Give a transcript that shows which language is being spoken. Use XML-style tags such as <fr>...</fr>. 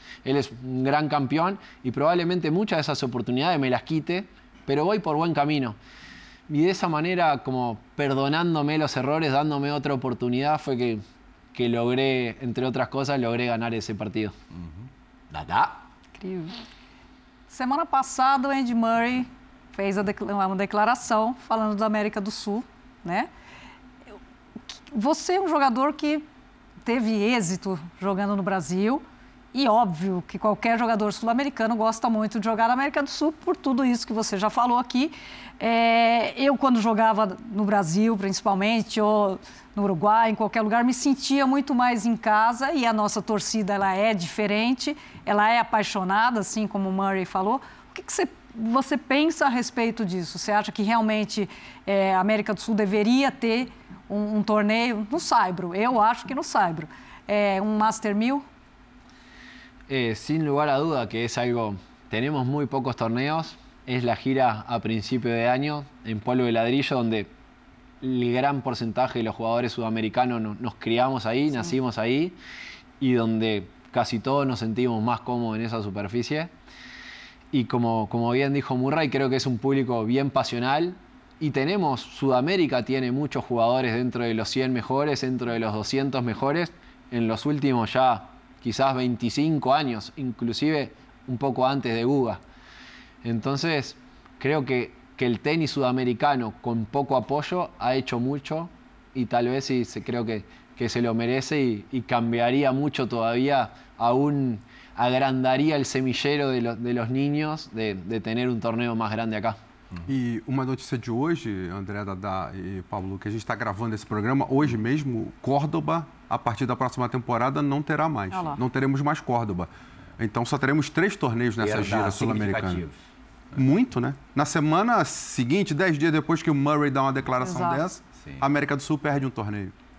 <es>Él es un gran campeón y probablemente muchas de esas oportunidades me las quite, pero voy por buen camino. Y de esa manera, como perdonándome los errores, dándome otra oportunidad, fue que logré, entre otras cosas, logré ganar ese partido.</es> <pt>Dada. Incrível. Semana passada, o Andy Murray fez uma declaração falando da América do Sul, né? Você é um jogador que teve êxito jogando no Brasil. E óbvio que qualquer jogador sul-americano gosta muito de jogar na América do Sul, por tudo isso que você já falou aqui. Eu, quando jogava no Brasil, principalmente, ou no Uruguai, em qualquer lugar, me sentia muito mais em casa e a nossa torcida ela é diferente, ela é apaixonada, assim como o Murray falou. O que você pensa a respeito disso? Você acha que realmente a América do Sul deveria ter um torneio no Saibro? Eu acho que no Saibro. Um Master 1000?</pt> <es>Sin lugar a duda que es algo, tenemos muy pocos torneos, es la gira a principio de año en Polo de Ladrillo donde el gran porcentaje de los jugadores sudamericanos nos criamos ahí, sí. Nacimos ahí y donde casi todos nos sentimos más cómodos en esa superficie y como bien dijo Murray, creo que es un público bien pasional y tenemos, Sudamérica tiene muchos jugadores dentro de los 100 mejores, dentro de los 200 mejores, en los últimos ya quizás 25 años, inclusive un poco antes de Guga. Entonces, creo que el tenis sudamericano con poco apoyo ha hecho mucho y tal vez sí, creo que se lo merece y cambiaría mucho todavía, aún agrandaría el semillero de los niños de tener un torneo más grande acá.</es> <pt>E uma notícia de hoje, André, Dada e Pablo, que a gente está gravando esse programa, hoje mesmo, Córdoba, a partir da próxima temporada, não terá mais. Olá. Não teremos mais Córdoba. Então, só teremos 3 torneios nessa gira sul-americana. Muito, né? Na semana seguinte, 10 dias depois que o Murray dá uma declaração dessa, sim. A América do Sul perde um torneio.</pt>